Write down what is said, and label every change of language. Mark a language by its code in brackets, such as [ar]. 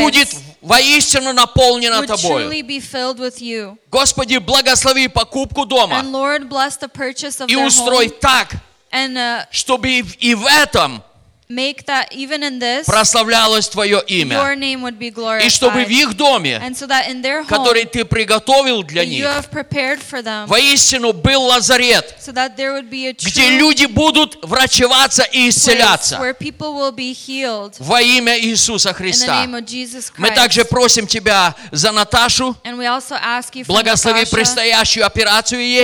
[ru] будет воистину наполнена Тобой. [en] Truly be filled with you. [ru] Господи, благослови покупку дома [en] and Lord, bless the purchase of [ru] и устрой [en] home, [ru] так, [en] and, [ru] чтобы и в этом [en] Make that even in this, [ru] прославлялось твое имя. [en] Your name would be glorified. [ru] И чтобы в их доме, [en] and so that in their home, [ru] который ты приготовил для них, [en] you have prepared for them, [ru] воистину был лазарет, [en] so that there would be a true [ru] где люди будут врачеваться и исцеляться. [en] Place where people will be healed, [ru] во имя Иисуса Христа. [en] In the name of Jesus Christ. [ru] Мы также просим тебя за Наташу. [en] And we also ask you for [ru] благослови [en] Natasha, [ru] предстоящую операцию ей.